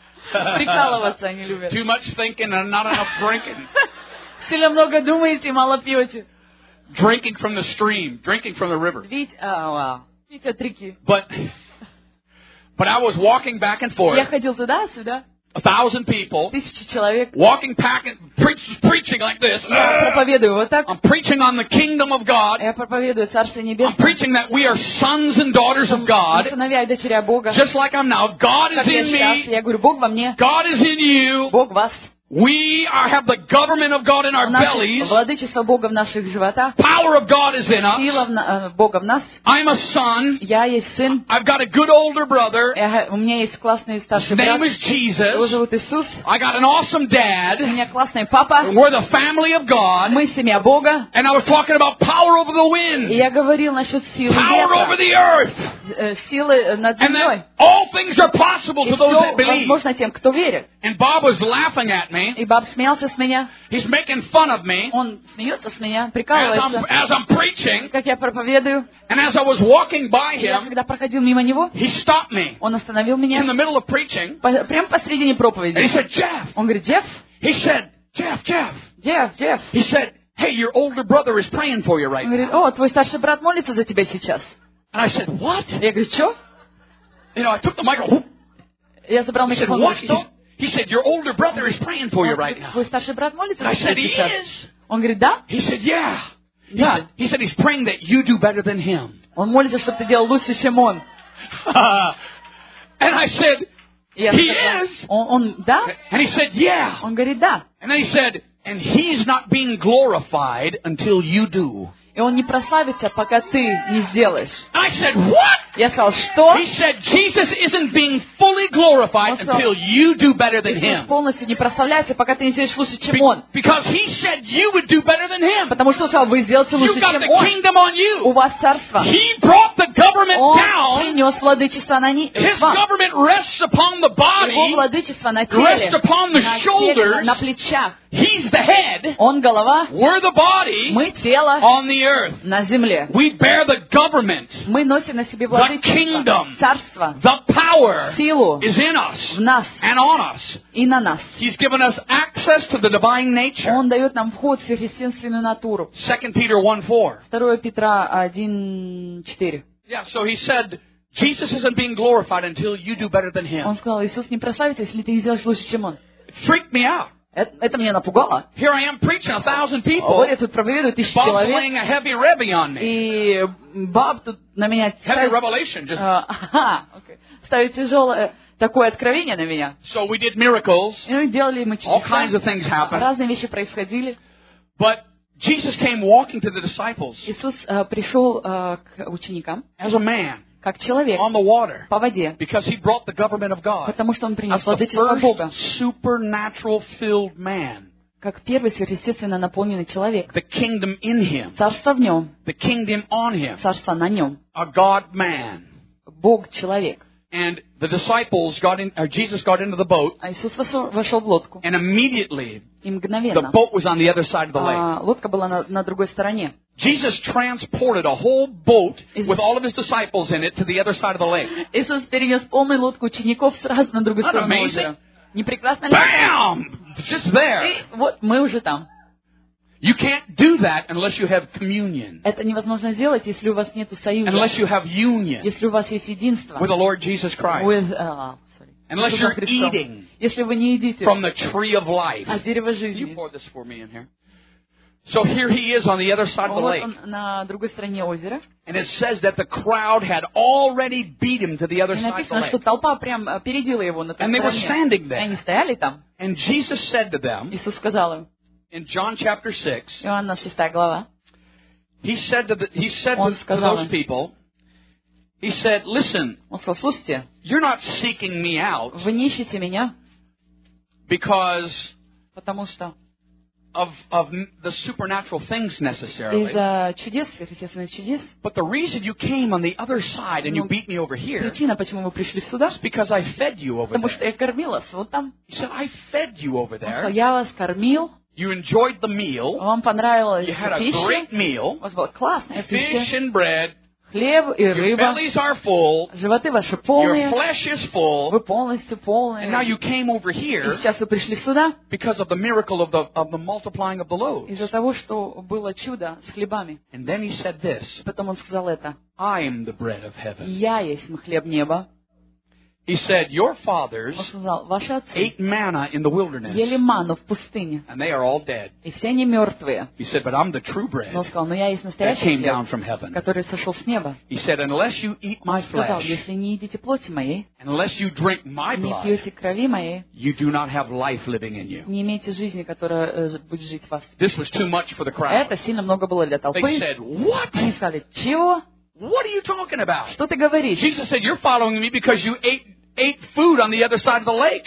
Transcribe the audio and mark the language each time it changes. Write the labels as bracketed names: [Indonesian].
[Russian] Прикалываться они любят. [English] Too much thinking and not enough drinking. [Russian] Слишком много думаете и мало пьете. [English] Drinking from the stream, drinking from the river. [Russian] Пить от реки. [English] But I was walking back and forth. [Russian] Я ходил туда-сюда. [English] 1,000 people. [Russian] Тысячи человек. [English] Walking back and preaching like this. [Russian] Я проповедую вот так. [English] I'm preaching on the kingdom of God. [Russian] Я проповедую Царство Небесное. [English] I'm preaching that we are sons and daughters of God. [Russian] Мы сыновья и дочери Бога. [English] Just like I'm now. God is in me. [Russian] Я говорю, Бог во мне. [English] God is in you. [Russian] Бог в вас. [English] We are, have the government of God in our bellies. [Russian] Владычество Бога в наших животах. [English] Power of God is in us. [Russian] Сила Бога в нас. [English] I'm a son. [Russian] Я есть сын. [English] I've got a good older brother. [Russian] У меня есть классный старший брат. [English] His name is Jesus. [Russian] Его зовут Иисус. [English] I got an awesome dad. [Russian] У меня классный папа. [English] We're the family of God. [Russian] Мы семья Бога. [English] And I was talking about power over the wind. [Russian] Я говорил насчет силы ветра. [English] Power over the earth. [Russian] Силы над землей. [English] All things are possible to those that believe. [Russian] Возможно тем, кто верит. [English] And Bob was laughing at me. [Russian] И Боб смеялся с меня. [English] He's making fun of me. [Russian] Он смеется с меня, прикалывается. [English] As I'm preaching. [Russian] Как я проповедую. [English] And as I was walking by him. [Russian] Я когда проходил мимо него. [English] He stopped me. [Russian] Он остановил меня. [English] In the middle of preaching. [Russian] Прямо посредине проповеди. [English] And he said, Jeff. [Russian] Он говорит, Джефф. [English] He said, Jeff. He said, hey, your older brother is praying for you right now. [Russian] Говорит, о, твой старший брат молится за тебя сейчас. [English] And I said, what? [Russian] Я говорю, что? [English] You know, I took the microphone. [Russian] Я забрал микрофон. [English] He said, what? He said, your older brother is praying for you right now. [Russian] Твой старший брат молится за тебя. [English] And I said, he is. [Russian] Он говорит, да? [English] He said, yeah. He said, he's praying that you do better than him. [Russian] Он молится, чтобы ты делал лучше, чем он. [English] And I said, he is. [Russian] Он, да? [English] And he said, yeah. [Russian] Он говорит, да. [English] And then he said, and he's not being glorified until you do. [Russian] И он не прославится, пока ты не сделаешь. [English] And I said, what? [Russian] Я сказал, что? [English] He said, Jesus isn't being fully glorified [Russian] сказал, [English] until you do better than him. [Russian] Полностью не прославляется, пока ты не сделаешь лучше, чем он. [English] Because he said you would do better than him. [Russian] Потому что он сказал, вы сделаете лучше, чем он. [English] You've got the kingdom on you. [Russian] У вас царство. [English] He brought the government down. [Russian] Он принес владычество на ней. [English] His government rests upon the body. [Russian] Его владычество на теле. [English] Rests upon the shoulders. [Russian] На плечах. [English] He's the head. [Russian] Он голова. [English] We're the body. [Russian] Мы тело. [English] On the earth. [Russian] На земле. [English] We bear the government. [Russian] Мы носим на себе владычество. [English] The kingdom. [Russian] Царство. [English] The power. [Russian] Силу. [English] Is in us. [Russian] В нас. [English] And on us. [Russian] И на нас. [English] He's given us access to the divine nature. [Russian] Он дает нам вход в сверхъестественную натуру. [English] 2 Peter 1:4. [Russian] 2 Петра 1:4. [English] Yeah, so he said Jesus isn't being glorified until you do better than him. [Russian] Он сказал, Иисус не прославится, если ты не сделаешь лучше, чем он. [English] It freaked me out. [Russian] Это меня напугало. [English] Here I am preaching 1,000 people. [Russian] Вот я тут проповедую 1000 человек. [English] Bob playing a heavy rebbe on me. [Russian] И Боб тут на меня [English] heavy revelation just. Okay. [Russian] Ставит тяжелое такое откровение на меня. [English] So we did miracles. [Russian] И мы делали мы чудеса. [English] All kinds of things happened. [Russian] Разные вещи происходили. [English] But Jesus came walking to the disciples. [Russian] Иисус пришел к ученикам. [English] As a man. [Russian] Как человек, [English] on the water, [Russian] по воде, [English] because he brought the government of God, [Russian] потому что он принес владычество Бога, [English] supernatural filled man, [Russian] как первый сверхъестественно наполненный человек, [English] the kingdom in him, [Russian] царство в нем, [English] the kingdom on him, [Russian] царство на нем, [English] a God man, [Russian] Бог человек, [English] and the disciples got in, or Jesus got into the boat, [Russian] а Иисус вошел в лодку, [English] and immediately, [Russian] и мгновенно, [English] the boat was on the other side of the lake, [Russian] лодка была на другой стороне. [English] Jesus transported a whole boat with all of his disciples in it to the other side of the lake. [Russian] Иисус перенес полную лодку учеников сразу на другую сторону озера. Не прекрасно ли? [English] Bam! Just there. [Russian] Вот мы уже там. [English] You can't do that unless you have communion. [Russian] Это невозможно сделать, если у вас нету союза. [English] Unless you have union. [Russian] Если у вас есть единство. [English] With the Lord Jesus Christ. With unless you're eating. [Russian] Если вы не едите. [English] From the tree of life. [Russian] От дерева жизни. [English] You pour this for me in here. So here he is on the other side of the lake. [Russian] На другой стороне озера. [English] And it says that the crowd had already beat him to the other [Russian] написано, [English] side of the lake. [Russian] Написано, что толпа прям опередила его на той стороне. [English] And they were standing there. [Russian] Они стояли там. [English] And Jesus said to them. [Russian] Иисус сказал им. [English] In John chapter 6. [Russian] Иоанна 6 глава. [English] He said to those people. He said, listen. [Russian] Он сказал, слушайте. [English] You're not seeking me out. [Russian] Вы не ищете меня. [English] Because. [Russian] Потому что. [English] Of the supernatural things necessarily. [Russian] Из-за чудес, естественно, чудес. [English] But the reason you came on the other side and you beat me over here. [Russian] Причина, почему вы пришли сюда? [English] Is because I fed you over there. [Russian] Потому что я кормилась вот там. [English] He said, I fed you over there. [Russian] Я вас кормил. [English] You enjoyed the meal. [Russian] Вам понравилась пища. [English] You had a great meal. [Russian] У вас была классная пища. [English] Fish and bread. [Russian] Хлеб и рыба. [English] Your bellies are full. [Russian] Животы ваши полные. [English] Your flesh is full. [Russian] Вы полностью полные. [English] And now you came over here. [Russian] И сейчас вы пришли сюда. [English] Because of the miracle of the multiplying of the loaves. [Russian] Из-за того, что было чудо с хлебами. [English] And then he said this. [Russian] Потом он сказал это. [English] I am the bread of heaven. [Russian] Я есть хлеб неба. [English] He said, your fathers [Russian] сказал, ваши отцы [English] ate manna in the wilderness. [Russian] Ели ману в пустыне. [English] And they are all dead. [Russian] И все они мертвые. [English] He said, but I'm the true bread. [Russian] Но сказал, но я есть настоящий [English] that came [Russian] хлеб, [English] down from heaven. [Russian] Который сошел с неба. [English] He said, unless you eat my flesh, [Russian] сказал, если не едите плоти моей, [English] unless you drink my blood, [Russian] не пьете крови моей, [English] you do not have life living in you. [Russian] Не имеете жизни, которая будет жить в вас. [English] This was too much for the crowd. [Russian] Это сильно много было для толпы. [English] They said, what? [Russian] Они сказали, чего? [English] What are you talking about? [Russian] Что ты говоришь? [English] Jesus said, you're following me because you ate food on the other side of the lake.